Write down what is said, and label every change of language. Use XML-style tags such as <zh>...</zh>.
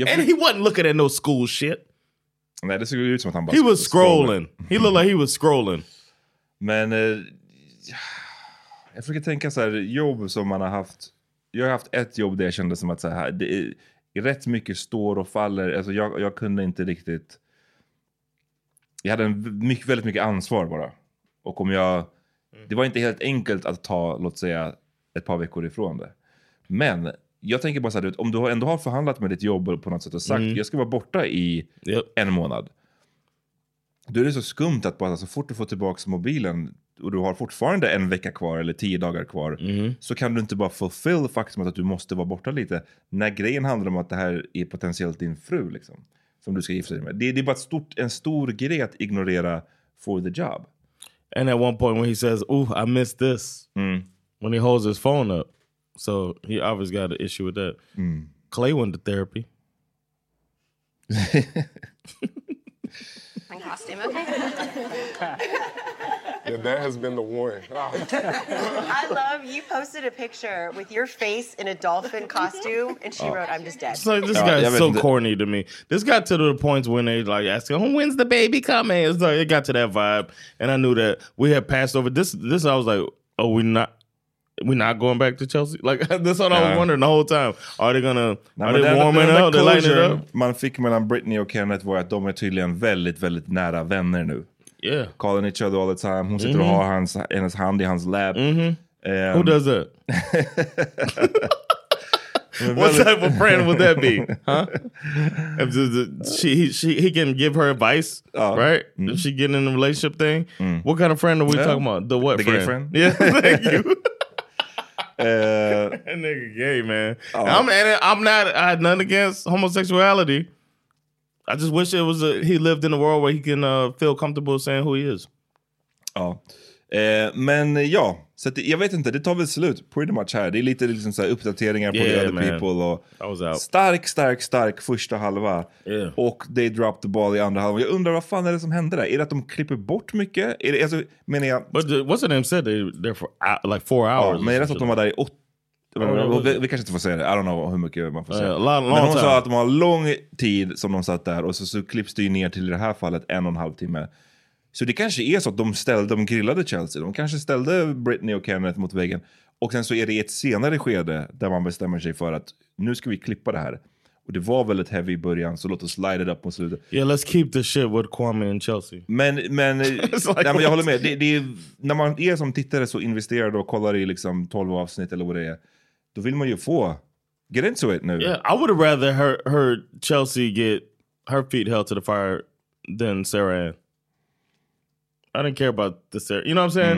<en>And he wasn't looking at no school shit.</en> <sv>Nej, det såg ut som att han bara</sv> <en>he was scrolling. He looked like he was scrolling.</en> <sv>Men jag försöker tänka så här, jobb som man har haft. Jag har haft ett jobb där jag kände som att så här, det är rätt mycket står och faller. Alltså jag kunde inte riktigt. Jag hade väldigt mycket ansvar bara. Och om jag det var inte helt enkelt att ta, låt säga, ett par veckor ifrån det. Men jag tänker bara så här, om du ändå har förhandlat med ditt jobb på något sätt och sagt jag ska vara borta i en månad. Då är det så skumt att bara, så fort du får tillbaka mobilen och du har fortfarande en vecka kvar eller 10 dagar kvar. Mm. Så kan du inte bara fulfill faktum att du måste vara borta lite. När grejen handlar om att det här är potentiellt din fru liksom, som du ska gifta dig med. Det är bara en stor grej att ignorera</sv> <en>for the job. And at one point when he says, ooh, I missed this, when he holds his phone up. So he obviously got an issue with that. Mm. Clay went to therapy. My costume, okay? Yeah, that has been the warning. I love you posted a picture with your face in a dolphin costume, and she wrote, I'm just dead. So this guy is so corny to me. This got to the point when they like asking, when's the baby coming? It's like, it got to that vibe, and I knew that we had passed over. This I was like, oh, we're not going back to Chelsea? Like, that's what I was wondering the whole time. Are they going to, are they warming up? They lighting it up?</en> <sv>Man fick mellan Britney och Kenneth var att de är tydligen väldigt, väldigt nära vänner nu.</sv> <en>Yeah. Calling each other all the time.</en> <sv>Hon sitter och har hennes hand i hans lap.</sv> <en>Mm-hmm. Who does that? What type of friend would that be? Huh? If he can give her advice, right? Mm. If she getting in the relationship thing. Mm. What kind of friend are we talking about? The what the friend? The gay friend. Yeah, thank you. That nigga gay, man. I had nothing against homosexuality. I just wish he lived in a world where he can feel comfortable saying who he is.</en> <sv>Ja. Men ja, så att jag vet inte, det tar väl slut</sv> <en>pretty much</en> <sv>här. Det är lite liksom så här uppdateringar på The Other People och</sv> <en>I was out.</en> <sv>Stark första halva.</sv> <en>Yeah.</en> <sv>Och</sv> <en>they dropped the ball</en> <sv>i andra halvan. Jag undrar vad fan är det som händer där? Är det att de klipper bort mycket? Är det, alltså, menar jag,</sv> <en>but what's the name said they there for like 4 hours.</en> <sv>Ja, men är det att de var där i 8? Vi kanske inte får säga det.</sv> <en>I don't know</en> <sv>hur mycket man får säga. Men hon sa att de har lång tid som de satt där. Och så klipps det ju ner till i det här fallet 1,5 timme. Så det kanske är så att de grillade Chelsea. De kanske ställde Britney och Kenneth mot väggen. Och sen så är det ett senare skede där man bestämmer sig för att nu ska vi klippa det här. Och det var väldigt heavy i början, så låt oss</sv> <en>light it up</en> <sv>på slutet.</sv> <en>Yeah, let's keep the shit with Kwame and Chelsea.</en> <sv>Men, like, nej, men jag håller med. Det är, när man är som tittare så investerar och kollar i liksom 12 avsnitt eller vad det är. Då vill man ju få</sv> <en>get into it</en> <sv>nu.</sv> <en>Yeah, I would have rather her Chelsea get her feet held to the fire than Sarah Ann. I didn't care about the Sarah, you know what I'm saying?</en>